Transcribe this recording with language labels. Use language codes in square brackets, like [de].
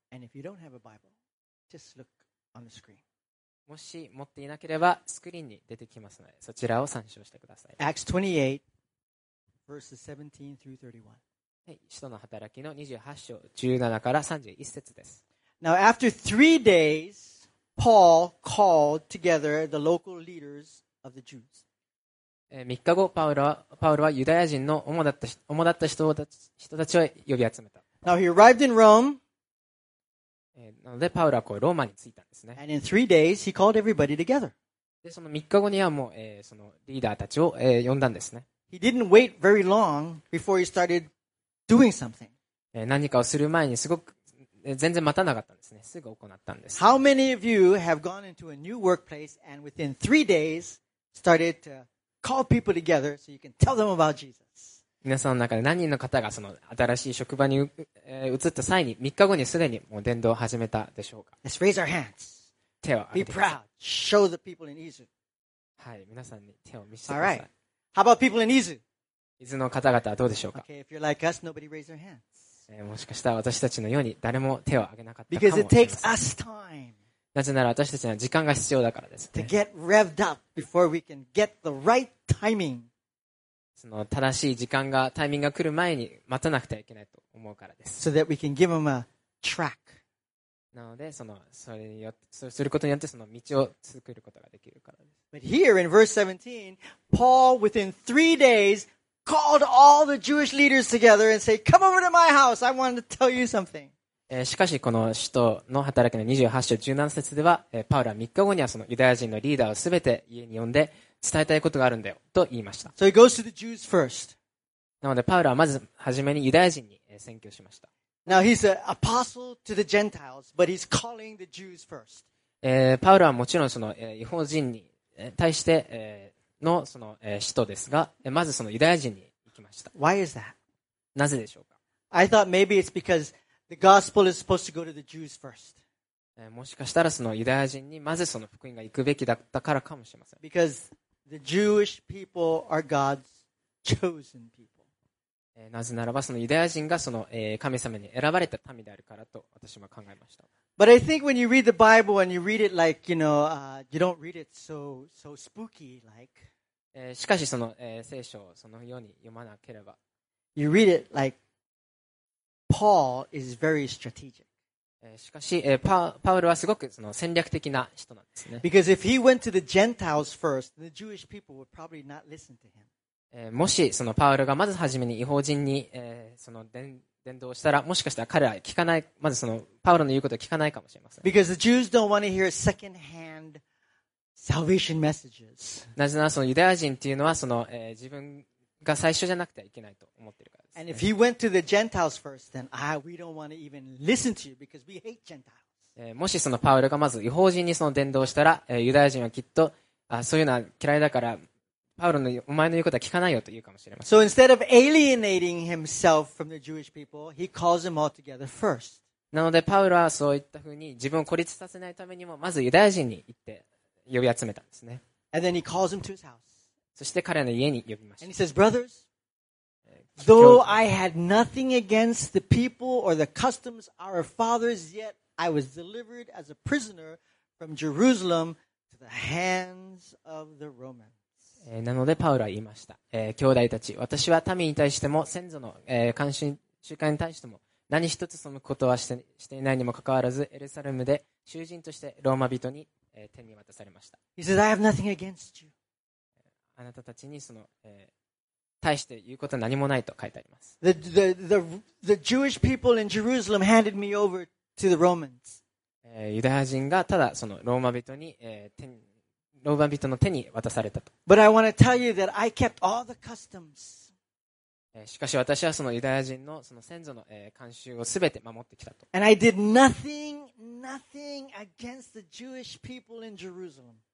[en] And if you don't have a Bible, just look on the screen. [ja] もし持っていなければスクリーンに出てきますので、そちらを参照してください。 [en] Acts 28, verses 17 through 31. [ja] 使徒の働きの28章17から31節です。 [en] Now after three days, Paul called together the local leaders of the Jews. [ja] 3日後、パウロはユダヤ人の主だった人たちを呼び集めた。 [en] Now he arrived in Rome. [ja] なのでパウロはこうローマに着いたんですね。 [en] And in three days, he called everybody together. [ja] でその3日後にはもう、そのリーダーたちを、呼んだんですね。 [en] He didn't wait very long before he started. Doing something. [ja] 何かをする前にすごく全然待たなかったんですね。すぐ行ったんです。 [en] How many of you have gone into a new workplace and within three days started to call people together so you can tell them about Jesus? [ja] 皆さんの中で何人の方がその新しい職場に移った際に3日後にすでにもう伝道を始めたでしょうか。 [en] Let's raise our hands. [ja] 手を挙げてください。 [en] Be proud. Show the people in Izu. [ja] はい、皆さんに手を見せてください。 [en] All right. How about people in Izu? [ja] 伊豆の方々はどうでしょうか。 [en] Okay, if you're like us, nobody raise their hands. [ja] もしかしたら私たちのように誰も手を挙げなかったかもしれません。 [en] Because it takes us time. [ja] なぜなら私たちには時間が必要だからですね。 [en] To get revved up before we can get the right timing. [ja] その正しい時間がタイミングが来る前に待たなくてはいけないと思うからです。 [en] So that we can give them a track. [ja] なのでそのそれによってすることによってその道を作ることができるからです。 [en] But here in verse 17, Paul within three days,called all the Jewish leaders together and say, "Come over to my house. I want to tell you something." [ja] しかしこの使徒の働きの28章17節では、パウロは3日後にはそのユダヤ人のリーダーをすべて家に呼んで伝えたいことがあるんだよと言いました。 [en] So he goes to the Jews first. [ja] なのでパウロはまず初めにユダヤ人に宣教しました。 [en] Now he's an apostle to the Gentiles, but he's calling the Jews first. [ja] パウロはもちろんその異邦人に対して。のその使徒ですが、まずそのユダヤ人に行きました。 [en] Why is that? [ja] なぜでしょうか。 [en] I thought maybe it's because the gospel is supposed to go to the Jews first. [ja] もしかしたらそのユダヤ人になぜその福音が行くべきだったからかもしれません。 [en] Because the Jewish people are God's chosen people. [ja] なぜならばそのユダヤ人がその神様に選ばれた民であるからと私も考えました。 [en] But I think when you read the Bible and you read it like, you know, you don't read it so spooky like. [ja] しかしその聖書をそのように読まなければ。 [en] You read it like Paul is very strategic. [ja] しかし、パウルはすごくその戦略的な人なんですね。 [en] Because if he went to the Gentiles first, the Jewish people would probably not listen to him. [ja] もしそのパウルがまず初めに異邦人に、その伝道したら、もしかしたら彼らは聞かない、まずそのパウルの言うことは聞かないかもしれません。 [en] Because the Jews don't want to hear second-hand salvation messages. [ja] なぜならそのユダヤ人っていうのはその、自分が最初じゃなくてはいけないと思っているから。 [en] And if he went to the Gentiles first, then we don't want to even listen to you because we hate Gentiles. [ja] もしそのパウルがまず異邦人にその伝道したら、ユダヤ人はきっとそういうのは嫌いだから、パウルのお前の言うことは聞かないよと言うかもしれません。 [en] So instead of alienating himself from the Jewish people, he calls them all together first. [ja] なのでパウルはそういったふうに自分を孤立させないためにもまずユダヤ人に行って呼び集めたんですね。 [en] And then he calls them to his house. [ja] そして彼の家に呼びました。 [en] And he says, brothers. Though I had nothing against the people or the customs of our fathers, yet I was delivered as a prisoner from Jerusalem to the hands of the Romans. [ja] なのでパウロは言いました。兄弟たち、私は民に対しても先祖の慣習習慣に対しても何一つそのことはしていないにもかかわらず、エルサレムで囚人としてローマ人に手に渡されました。 [en] He says, I have nothing against you. [ja] あなたたちにその対して言うことは何もないと書いてあります。 [en] The Jewish people in Jerusalem handed me over to the Romans. [ja] ユダヤ人がただそのローマ人に、ローマ人の手に渡されたと。 [en] But I want to tell you that I kept all the customs. [ja] しかし私はそのユダヤ人のその先祖の慣習をすべて守ってきたと。 [en] And I did nothing against the Jewish people in Jerusalem.